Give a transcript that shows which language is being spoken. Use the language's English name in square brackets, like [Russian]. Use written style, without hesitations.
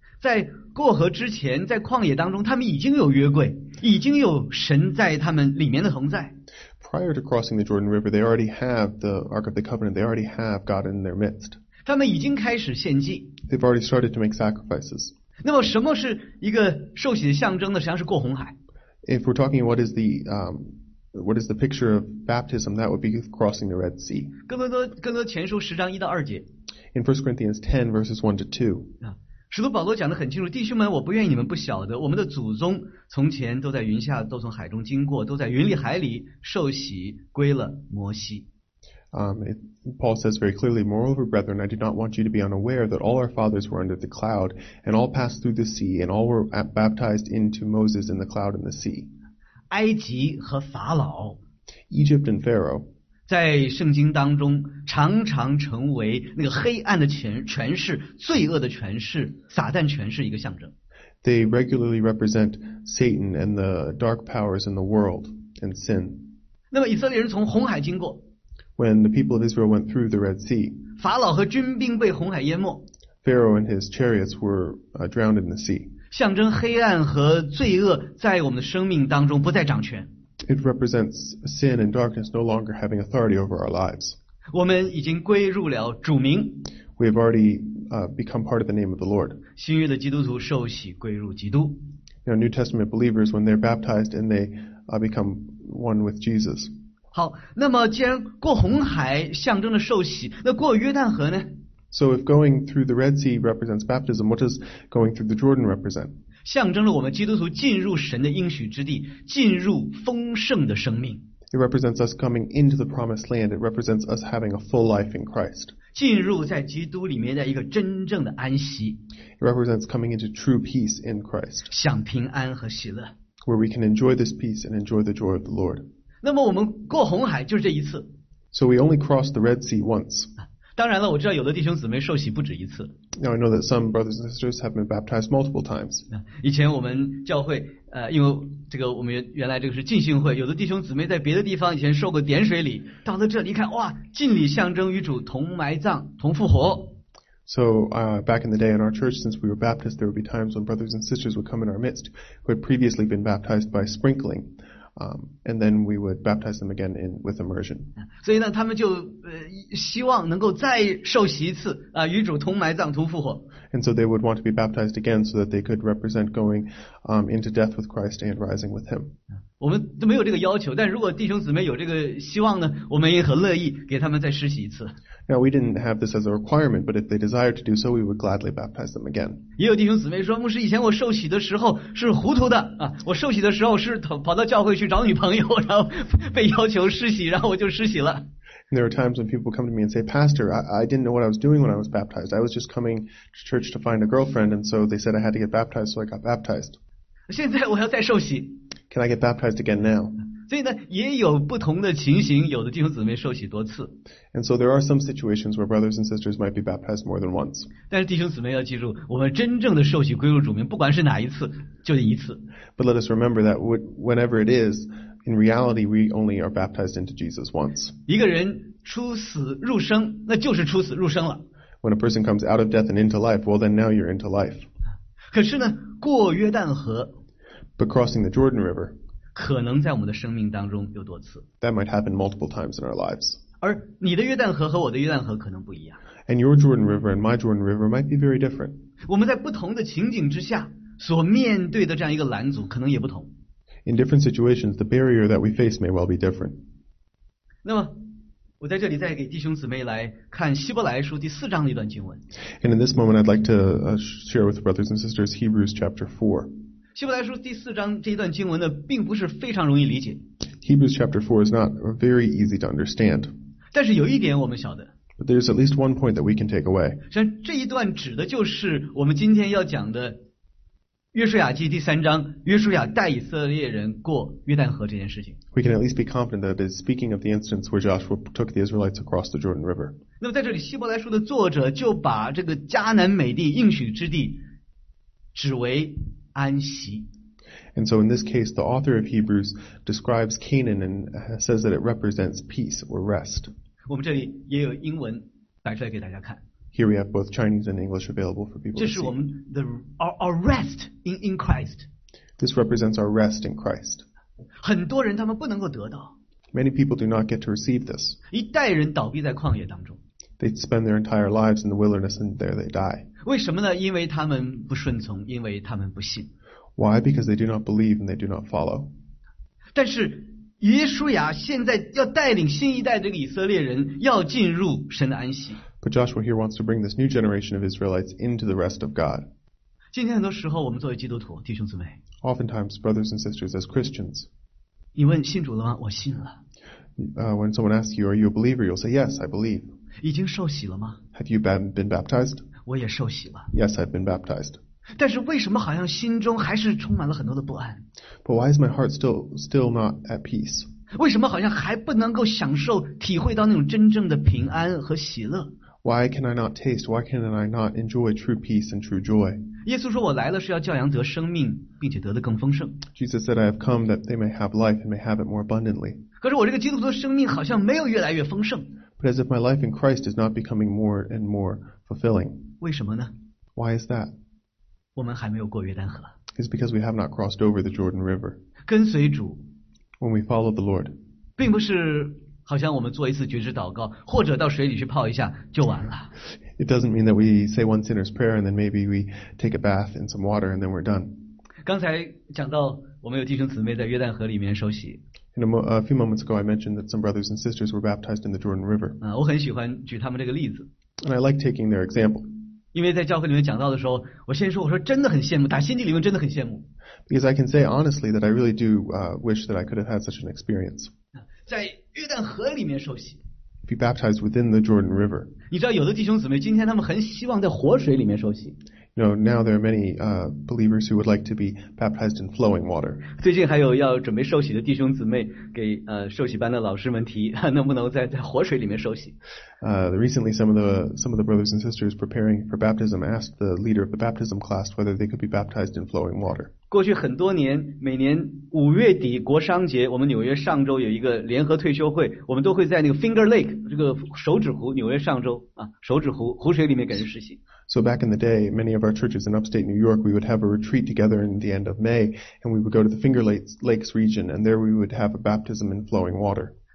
[Chinese] 在过河之前，在旷野当中，他们已经有约柜，已经有神在他们里面的同在。 [English] Prior to crossing the Jordan River, they already have the Ark of the Covenant. They already have God in their midst. [Chinese] 他们已经开始献祭。 [English] They've already started to make sacrifices. [Chinese] 那么，什么是一个受洗的象征呢？实际上是过红海。 [English] If we're talking what is the picture of baptism, that would be crossing the Red Sea. [Chinese] 更多前书十章一到二节。 [English] In 1 Corinthians 10 verses 1 to 2. [Chinese] 使徒保罗讲得很清楚，弟兄们，我不愿意你们不晓得，我们的祖宗从前都在云下，都从海中经过，都在云里海里受洗归了摩西。 [English] Paul says very clearly, Moreover, brethren, I do not want you to be unaware that all our fathers were under the cloud, and all passed through the sea, and all were baptized into Moses in the cloud and the sea. [Chinese] 埃及和法老 [English] Egypt and Pharaoh [Chinese] 在圣经当中常常成为那个黑暗的权势、罪恶的权势、撒旦权势一个象征。 [English] They regularly represent Satan and the dark powers in the world and sin. [Chinese] 那么以色列人从红海经过。 [English] When the people of Israel went through the Red Sea, [Chinese] 法老和军兵被红海淹没。 [English] Pharaoh and his chariots were drowned in the sea. [Chinese] 象征黑暗和罪恶在我们的生命当中不再掌权。 [English] It represents sin and darkness no longer having authority over our lives. [Chinese] 我们已经归入了主名。 [English] We have already become part of the name of the Lord. [Chinese] 新约的基督徒受洗归入基督。 [English] Now, New Testament believers, when they're baptized and they become one with Jesus. [Chinese] 好，那么既然过红海象征着受洗，那过约旦河呢 [English] ？So if going through the Red Sea represents baptism, what does going through the Jordan represent? [Chinese] 象征了我们基督徒进入神的应许之地，进入丰盛的生命。 [English] It represents us coming into the promised land. It represents us having a full life in Christ. [Chinese] 进入在基督里面的一个真正的安息。 [English] It represents coming into true peace in Christ. [Chinese] 享平安和喜乐。 [English] Where we can enjoy this peace and enjoy the joy of the Lord. [Chinese] 那么我们过红海就是这一次。 [English] So we only crossed the Red Sea once. [Chinese] 当然了，我知道有的弟兄姊妹受洗不止一次。 [English] Now I know that some brothers and sisters have been baptized multiple times. [Chinese] 以前我们教会，因为这个我们原来这个是浸信会，有的弟兄姊妹在别的地方以前受过点水礼，到了这里一看，哇，浸礼象征与主同埋葬、同复活。 [English] So back in the day in our church, since we were Baptists, there would be times when brothers and sisters would come in our midst who had previously been baptized by sprinkling. And then we would baptize them again with immersion. [Chinese] 所以呢，他们就希望能够再受洗一次啊，与主同埋葬、同复活。 [English] And so they would want to be baptized again so that they could represent going into death with Christ and rising with Him. [Chinese] 我们都没有这个要求，但如果弟兄姊妹有这个希望呢，我们也很乐意给他们再施洗一次。 [English] Now we didn't have this as a requirement, but if they desire to do so, we would gladly baptize them again. [Chinese] 也有弟兄姊妹说，牧师，以前我受洗的时候是糊涂的啊，我受洗的时候是跑到教会去找女朋友，然后被要求施洗，然后我就施洗了。 [English] And there are times when people come to me and say, Pastor, I didn't know what I was doing when I was baptized. I was just coming to church to find a girlfriend, and so they said I had to get baptized, so I got baptized. [Chinese] 现在我要再受洗。 [English] Can I get baptized again now? [Chinese] 所以呢，也有不同的情形，有的弟兄姊妹受洗多次。 [English] And so there are some situations where brothers and sisters might be baptized more than once. [Chinese] 但是弟兄姊妹要记住，我们真正的受洗归入主名，不管是哪一次，就一次。 [English] But let us remember that whenever it is, in reality, we only are baptized into Jesus once. [Chinese] 一个人出死入生，那就是出死入生了。 [English] When a person comes out of death and into life, well, then now you're into life. [Chinese] 可是呢，过约旦河。 [English] But crossing the Jordan River. [Chinese] 可能在我们的生命当中有多次。 [English] That might happen multiple times in our lives. [Chinese] 而你的约旦河和我的约旦河可能不一样。 [English] And your Jordan River and my Jordan River might be very different. [Chinese] 我们在不同的情景之下所面对的这样一个拦阻可能也不同。 [English] In different situations, the barrier that we face may well be different. [Chinese] 那么，我在这里再给弟兄姊妹来看希伯来书第四章的一段经文。 [English] And in this moment, I'd like to share with brothers and sisters Hebrews chapter 4. [Chinese] 希伯来书第四章这一段经文呢，并不是非常容易理解。 [English] Hebrews chapter 4 is not very easy to understand. [Chinese] 但是有一点我们晓得。 [English] But there's at least one point that we can take away. [Chinese] 像这一段指的就是我们今天要讲的约书亚记第三章，约书亚带以色列人过约旦河这件事情。 [English] We can at least be confident that it is speaking of the instance where Joshua took the Israelites across the Jordan River. [Chinese] 那么在这里，希伯来书的作者就把这个迦南美地应许之地指为安息。 [English] And so in this case, the author of Hebrews describes Canaan and says that it represents peace or rest. [Chinese] 我们这里也有英文摆出来给大家看。 [English] Here we have both Chinese and English available for people to see. [Chinese] 这是我们的 [English] our rest in Christ. This represents our rest in Christ. [Chinese] 很多人他们不能够得到。 [English] Many people do not get to receive this. [Chinese] 一代人倒闭在旷野当中。 [English] They spend their entire lives in the wilderness and there they die. [Chinese] 为什么呢？因为他们不顺从，因为他们不信。 [English] Why? Because they do not believe and they do not follow. [Chinese] 但是约书亚现在要带领新一代这个以色列人要进入神的安息。 [English] But Joshua here wants to bring this new generation of Israelites into the rest of God. [Chinese] 今天很多时候我们作为基督徒弟兄姊妹。 [English] Oftentimes, brothers and sisters, as Christians. [Chinese] 你问信主了吗？我信了。 [English] When someone asks you, are you a believer? You'll say, yes, I believe. [Chinese] 已经受洗了吗？ [English] Have you been baptized? [Chinese] 我也受洗了。 [English] Yes, I've been baptized. [Chinese] 但是为什么好像心中还是充满了很多的不安？ [English] But why is my heart still not at peace? [Chinese] 为什么好像还不能够享受体会到那种真正的平安和喜乐？ [English] Why can I not taste? Why can I not enjoy true peace and true joy? [Chinese] 耶稣说我来了是要叫羊得生命并且得得更丰盛。 [English] Jesus said I have come that they may have life and may have it more abundantly. [Chinese] 可是我这个基督徒的生命好像没有越来越丰盛。 [English] But as if my life in Christ is not becoming more and more fulfilling. [Chinese] 为什么呢？ [English] Why is that? [Chinese] 我们还没有过约旦河。 [English] It's because we have not crossed over the Jordan River. [Chinese] 跟随主。 [English] When we follow the Lord. [Chinese] 并不是好像我们做一次觉知祷告，或者到水里去泡一下就完了。 [English] It doesn't mean that we say one sinner's prayer and then maybe we take a bath in some water and then we're done. [Chinese] 刚才讲到我们有弟兄姊妹在约旦河里面受洗。 [English] A few moments ago, I mentioned that some brothers and sisters were baptized in the Jordan River. [Chinese] 我很喜欢举他们这个例子。 [English] And I like taking their example. [Chinese] 因为在教会里面讲到的时候，我先说我说真的很羡慕，打心底里面真的很羡慕。 [English] Because I can say honestly that I really do wish that I could have had such an experience. [Chinese] 在约旦河里面受洗。 [English] If you baptize within the Jordan River. [Chinese] 你知道有的弟兄姊妹今天他们很希望在活水里面受洗。 [English] You know, now there are many believers who would like to be baptized in flowing water. [Chinese] 最近还有要准备受洗的弟兄姊妹给受洗班的老师们提，能不能在活水里面受洗。 [English] Recently some of the brothers and sisters preparing for baptism asked the leader of the baptism class whether they could be baptized in flowing water. [Chinese] 过去很多年，每年五月底国商节，我们纽约上州有一个联合退休会，我们都会在那个 Finger Lake 这个手指湖，纽约上州啊，手指湖湖水里面给人实习。 [English] So back in the day, many of our churches in upstate New York, we would have a retreat together in the end of May, and we would go to the Finger Lakes region, and there we would have a baptism in flowing water.